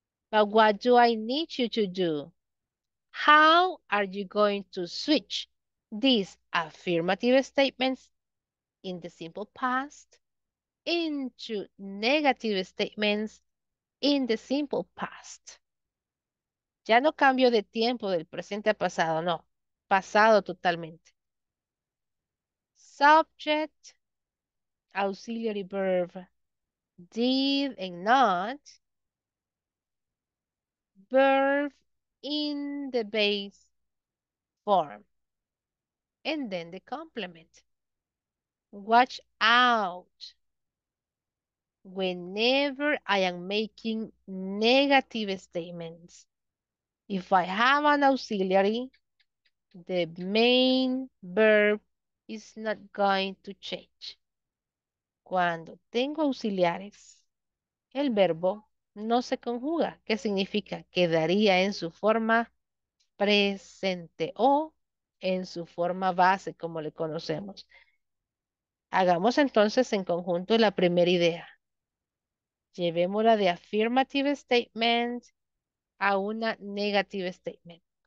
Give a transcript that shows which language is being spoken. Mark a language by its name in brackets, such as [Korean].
[English] But what do I need you to do? How are you going to switch these affirmative statements in the simple past into negative statements in the simple past? [Spanish] Ya no cambio de tiempo del presente a pasado, no. Pasado totalmente. [English] Subject, auxiliary verb, did and not. Verb in the base form. And then the complement. Watch out. Whenever I am making negative statements, if I have an auxiliary, the main verb is not going to change. [Spanish] Cuando tengo auxiliares, el verbo no se conjuga. ¿Qué significa? Quedaría en su forma presente o en su forma base, como le conocemos. Hagamos entonces en conjunto la primera idea. Llevémosla de [English] affirmative statement [Spanish] a una [English] negative statement.